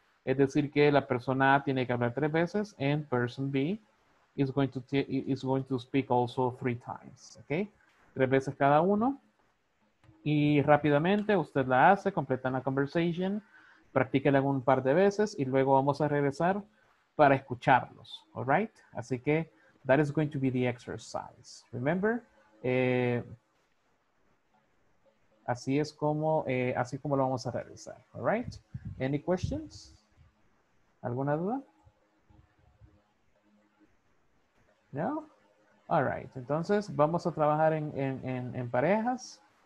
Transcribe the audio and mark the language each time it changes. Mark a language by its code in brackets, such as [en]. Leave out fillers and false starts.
[es] Es decir que la persona A tiene que hablar 3 veces [en] and person B is going to speak also 3 times, okay? [es] 3 veces cada uno. Y rápidamente usted la hace, completa la conversation, practíquela un par de veces y luego vamos a regresar para escucharlos, [en] all right? [es] Así que, [en] that is going to be the exercise. Remember, [es] así es como, así como lo vamos a realizar, [en] all right? Any questions? [es] ¿Alguna duda? [en] No? All right, [es] entonces, vamos a trabajar en parejas.